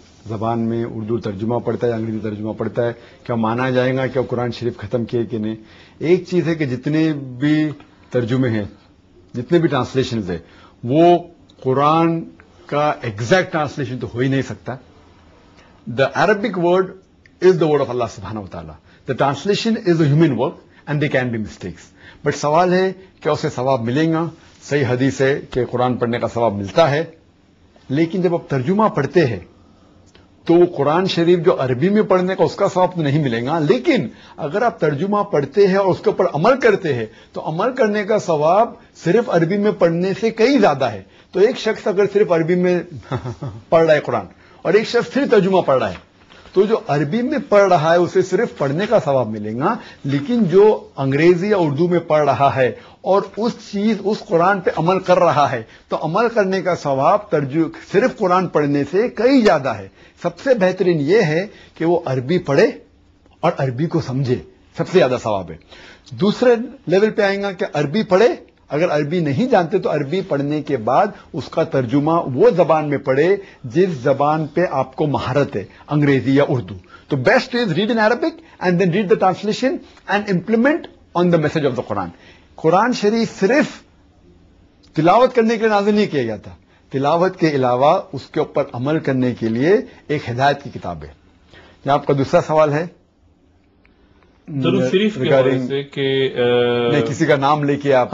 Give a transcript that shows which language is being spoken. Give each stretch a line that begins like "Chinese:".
Urdu: زبان میں اردو ترجمہ پڑھتا ہے یا انگریزی ترجمہ پڑھتا ہے, کیا مانا جائے گا کہ قرآن شریف ختم کیے کہ نہیں. ایک چیز ہے کہ جتنے بھی ترجمے ہیں, جتنے بھی ٹرانسلیشنز ہیں, وہ قرآن کا ایگزیکٹ ٹرانسلیشن تو ہو ہی نہیں سکتا.
English: The Arabic word is the word of Allah سبحانہ و تعالیٰ, the translation is a human work and they can be mistakes.
Urdu: But سوال ہے کیا اسے ثواب ملے گا؟ صحیح حدیث ہے کہ قرآن پڑھنے کا ثواب ملتا ہے, لیکن جب آپ ترجمہ پڑھتے ہیں تو وہ قرآن شریف جو عربی میں پڑھنے کا اس کا ثواب نہیں ملے گا. لیکن اگر آپ ترجمہ پڑھتے ہیں اور اس کے اوپر عمل کرتے ہیں تو عمل کرنے کا ثواب صرف عربی میں پڑھنے سے کئی زیادہ ہے. تو ایک شخص اگر صرف عربی میں پڑھ رہا ہے قرآن اور ایک شخص صرف ترجمہ پڑھ رہا ہے, تو جو عربی میں پڑھ رہا ہے اسے صرف پڑھنے کا ثواب ملے گا, لیکن جو انگریزی یا اردو میں پڑھ رہا ہے اور اس چیز اس قرآن پہ عمل کر رہا ہے تو عمل کرنے کا ثواب صرف قرآن پڑھنے سے کئی زیادہ ہے. سب سے بہترین یہ ہے کہ وہ عربی پڑھے اور عربی کو سمجھے, سب سے زیادہ ثواب ہے. دوسرے لیول پہ آئیں گا کہ عربی پڑھے, اگر عربی نہیں جانتے تو عربی پڑھنے کے بعد اس کا ترجمہ وہ زبان میں پڑھے جس زبان پہ آپ کو مہارت ہے, انگریزی یا اردو.
English: تو best is read in Arabic and then read the translation and implement on the message of the Quran.
Urdu: قرآن شریف صرف تلاوت کرنے کے لیے نازل نہیں کیا گیا تھا, تلاوت کے علاوہ اس کے اوپر عمل کرنے کے لیے ایک ہدایت کی کتاب ہے. یہ آپ کا دوسرا سوال ہے شریف کے حوالے سے کہ کسی کا نام لے کے آپ,